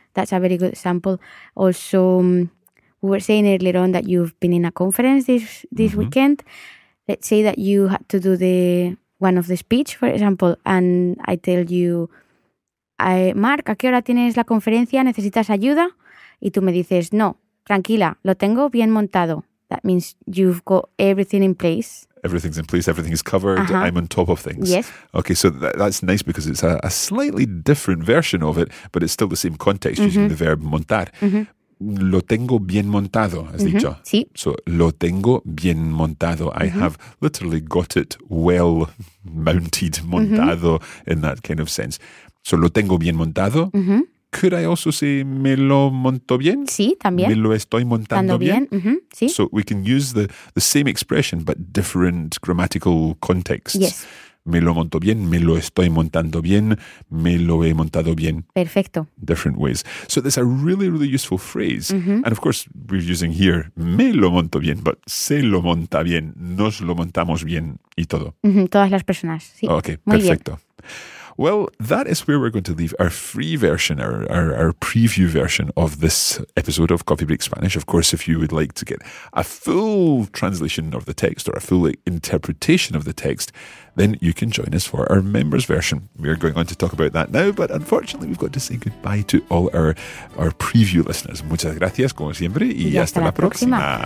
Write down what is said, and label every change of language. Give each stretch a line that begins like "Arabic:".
English: That's a very good example. Also, we were saying earlier on that you've been in a conference this mm-hmm. weekend. Let's say that you had to do one of the speech, for example, and I tell you, Mark,
Spanish: ¿a qué hora tienes la conferencia? ¿Necesitas ayuda? Y tú me dices, no, tranquila, lo tengo bien montado.
English: That means you've got everything in place. Everything's in place, everything's covered, uh-huh. I'm on top of things. Yes. Okay, so that's nice because it's a slightly different version of it, but it's still the same context mm-hmm. using the verb montar. Mm-hmm.
Spanish: Lo tengo bien montado, has mm-hmm. dicho. Sí. So, lo tengo bien montado.
English: Mm-hmm. I have literally got it well mounted, montado, mm-hmm. in that kind of sense.
Spanish: So, lo tengo bien montado. Mm-hmm.
English: Could I also say,
Spanish: me lo monto bien? Sí, también. Me lo estoy montando bien. Mm-hmm. Sí.
English: So, we can use the same expression, but different grammatical contexts. Yes.
Spanish: Me lo monto bien, me lo estoy montando bien, me lo he montado bien. Perfecto.
English: Different ways. So there's a really, really useful phrase. Mm-hmm. And of course, we're using here,
Spanish: me lo monto bien, but se lo monta bien, nos lo montamos bien y todo. Mm-hmm. Todas las personas, sí. Okay, perfecto.
English: Well, that is where we're going to leave our free version, our preview version of this episode of Coffee Break Spanish. Of course, if you would like to get a full translation of the text or a full interpretation of the text, then you can join us for our members' version. We are going on to talk about that now, but unfortunately, we've got to say goodbye to all our preview listeners.
Spanish: Muchas gracias, como siempre, y hasta la próxima.